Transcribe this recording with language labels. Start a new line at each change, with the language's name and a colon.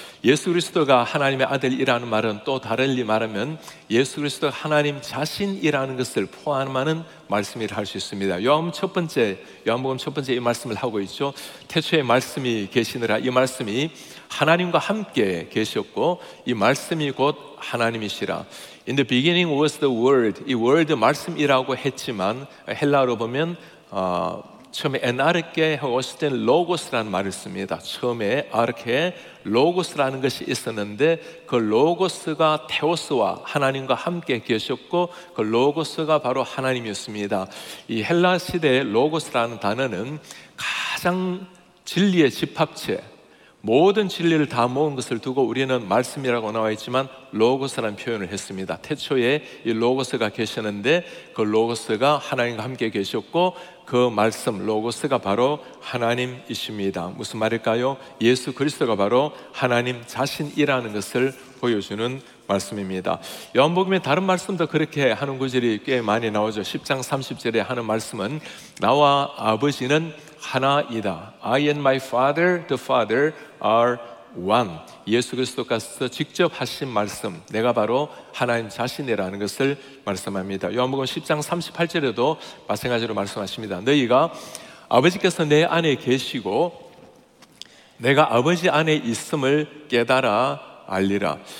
Korean: 예수 그리스도가 하나님의 아들이라는 말은 또 다르게 말하면 예수 그리스도가 하나님 자신이라는 것을 포함하는 말씀이라 할 수 있습니다. 요한복음 첫 번째 이 말씀을 하고 있죠. 태초에 말씀이 계시느라 이 말씀이 하나님과 함께 계셨고 이 말씀이 곧 하나님이시라.
English: In the beginning was the word.
Korean: 이 word 말씀이라고 했지만 헬라어로 보면 처음에 에나르케 헤오스텐 로고스라는 말을 씁니다. 처음에 아르케 로고스라는 것이 있었는데 그 로고스가 테오스와 하나님과 함께 계셨고 그 로고스가 바로 하나님이었습니다. 이 헬라 시대의 로고스라는 단어는 가장 진리의 집합체, 모든 진리를 다 모은 것을 두고 우리는 말씀이라고 나와 있지만 로고스라는 표현을 했습니다. 태초에 이 로고스가 계셨는데 그 로고스가 하나님과 함께 계셨고 그 말씀 로고스가 바로 하나님이십니다. 무슨 말일까요? 예수 그리스도가 바로 하나님 자신이라는 것을 보여주는 말씀입니다. 요한복음의 다른 말씀도 그렇게 하는 구절이 꽤 많이 나오죠. 10장 30절에 하는 말씀은 나와 아버지는 하나이다.
English: I and my father, the father are one.
Korean: 예수 그리스도께서 직접 하신 말씀, 내가 바로 하나님 자신이라는 것을 말씀합니다. 요한복음 10장 38절에도 마찬가지로 말씀하십니다. 너희가 아버지께서 내 안에 계시고 내가 아버지 안에 있음을 깨달아 알리라.